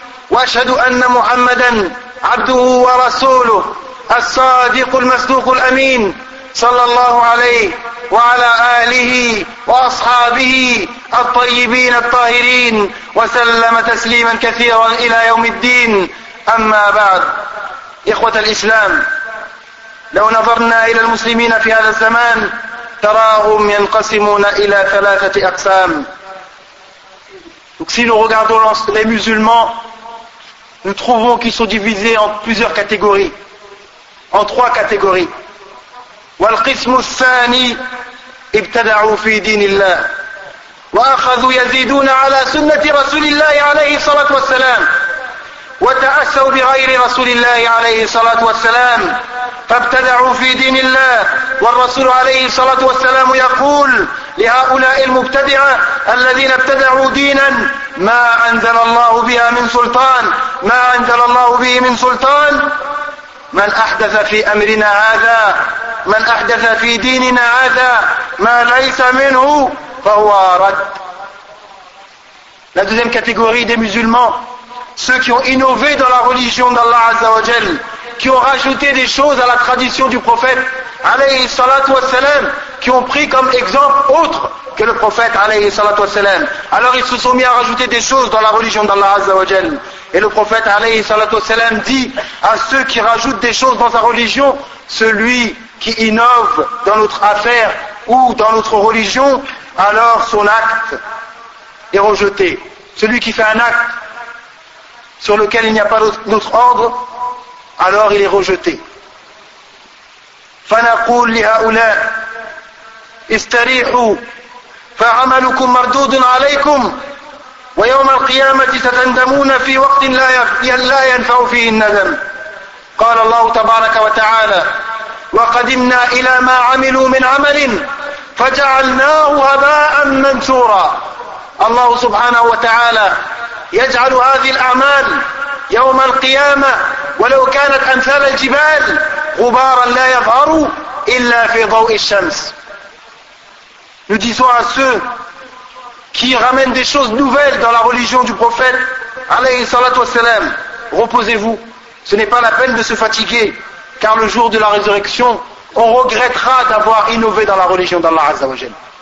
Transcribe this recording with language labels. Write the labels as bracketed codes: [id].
[ar] وأشهد أن محمدا عبده ورسوله الصادق المصدوق الأمين، صلى الله عليه وعلى آله وأصحابه الطيبين الطاهرين، وسلم تسليما كثيرا إلى يوم الدين. أما بعد، إخوة الإسلام، لو نظرنا إلى المسلمين في هذا الزمان تراهم ينقسمون إلى ثلاثة أقسام. [fr] Donc si nous regardons les musulmans, nous trouvons qu'ils sont divisés en plusieurs catégories, en trois catégories. [ar] والقسم الثاني ابتدعوا في دين الله وأخذوا يزيدون على سنة رسول الله عليه الصلاة والسلام وتأسوا بغير رسول الله عليه الصلاة والسلام فابتدعوا في دين الله. والرسول عليه الصلاة والسلام يقول لهؤلاء المبتدعة الذين ابتدعوا دينا: ما أنزل الله بها من سلطان، ما أنزل الله به من سلطان، من أحدث في أمرنا هذا، من أحدث في ديننا هذا ما ليس منه فهو رد. [fr] La deuxième catégorie des musulmans, ceux qui ont innové dans la religion d'Allah Azza wa Jal, qui ont rajouté des choses à la tradition du prophète alayhi salatu wassalam, qui ont pris comme exemple autre que le prophète alayhi salatu wassalam. Alors ils se sont mis à rajouter des choses dans la religion d'Allah Azza wa Jal. Et le prophète alayhi salatu wassalam dit à ceux qui rajoutent des choses dans sa religion: celui qui innove dans notre affaire ou dans notre religion, alors son acte est rejeté. Celui qui fait un acte sur lequel il n'y a pas d'autre ordre, alors il est rejeté. [ar] فنقول لهؤلاء استريحوا فعملكم مردود عليكم ويوم القيامة ستندمون في وقت لا ينفع فيه الندم. قال الله تبارك وتعالى: وقدمنا إلى ما عملوا من عمل فجعلناه هباء منثورا. الله سبحانه وتعالى يجعل هذه الأعمال يوم القيامة ولو كانت أمثال الجبال غبارا لا يظهر إلا في ضوء الشمس. [fr] Nous disons à ceux qui ramènent des choses nouvelles dans la religion du prophète, alayhi salatu wassalam, reposez-vous, ce n'est pas la peine de se fatiguer, car le jour de la résurrection, on regrettera d'avoir innové dans la religion d'Allah Azza wa Jalla.